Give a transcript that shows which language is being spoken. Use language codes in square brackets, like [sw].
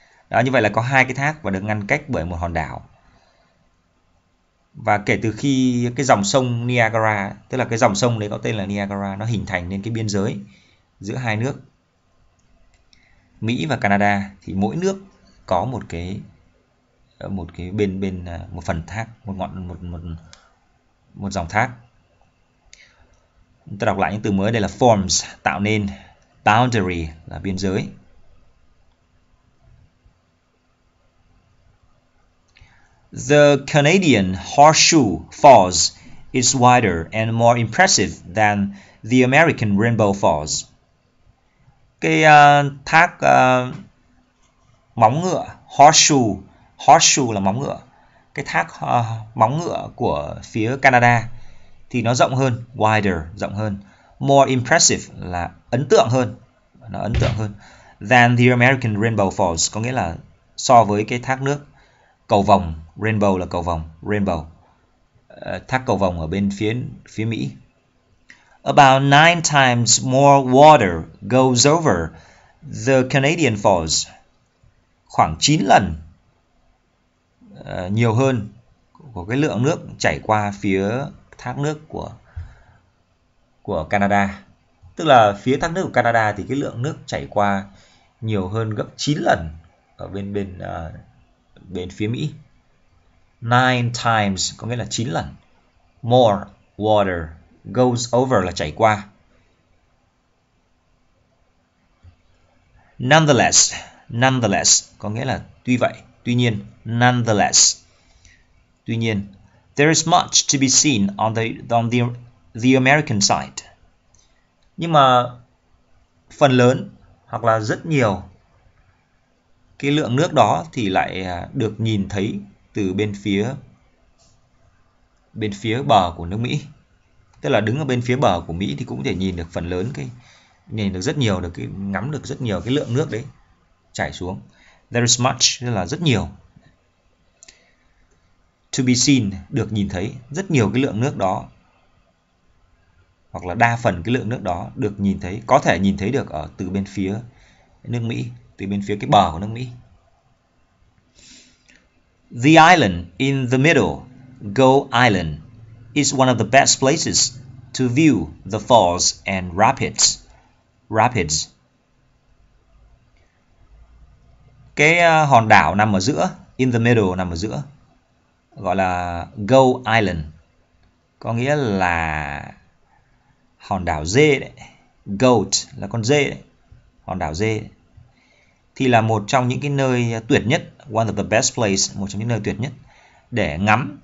[vi] Đó, như vậy là có hai cái thác và được ngăn cách bởi một hòn đảo. Và kể từ khi cái dòng sông Niagara, tức là cái dòng sông đấy có tên là Niagara, nó hình thành nên cái biên giới giữa hai nước Mỹ và Canada, thì mỗi nước có một cái, một cái bên, bên một phần thác, một ngọn, một một một dòng thác. Chúng ta đọc lại những từ mới, đây là forms, tạo nên, boundary là biên giới. [en] The Canadian Horseshoe Falls is wider and more impressive than the American Rainbow Falls. [vi] Cái thác móng ngựa, horseshoe, horseshoe là móng ngựa. Cái thác móng ngựa của phía Canada thì nó rộng hơn, wider, rộng hơn. More impressive là ấn tượng hơn, nó ấn tượng hơn. Than the American Rainbow Falls có nghĩa là so với cái thác nước cầu vồng, rainbow là cầu vồng, rainbow. Thác cầu vồng ở bên phía phía Mỹ. [en] About 9 times more water goes over the Canadian Falls. [vi] Khoảng 9 lần nhiều hơn của cái lượng nước chảy qua phía thác nước của Canada. Tức là phía thác nước của Canada thì cái lượng nước chảy qua nhiều hơn gấp 9 lần ở bên bên bên phía Mỹ. 9 times có nghĩa là 9 lần. More water goes over là chảy qua. Nonetheless, nonetheless có nghĩa là tuy vậy, tuy nhiên, nonetheless. [en] Tuy nhiên, there is much to be seen on the American side. [vi] Nhưng mà phần lớn hoặc là rất nhiều cái lượng nước đó thì lại được nhìn thấy từ bên phía bờ của nước Mỹ. Tức là đứng ở bên phía bờ của Mỹ thì cũng có thể nhìn được phần lớn nhìn được rất nhiều, được cái ngắm được rất nhiều cái lượng nước đấy chảy xuống. There is much, tức là rất nhiều. To be seen, được nhìn thấy rất nhiều cái lượng nước đó, hoặc là đa phần cái lượng nước đó được nhìn thấy, có thể nhìn thấy được ở từ bên phía nước Mỹ, từ bên phía cái bờ của nước Mỹ. [en] The island in the middle, Go Island, is one of the best places to view the falls and rapids. Rapids. [vi] Cái hòn đảo nằm ở giữa, in the middle, nằm ở giữa, gọi là Go Island, có nghĩa là hòn đảo dê đấy. Goat là con dê đấy. Hòn đảo dê đấy. Thì là một trong những cái nơi tuyệt nhất, one of the best place, một trong những nơi tuyệt nhất để ngắm.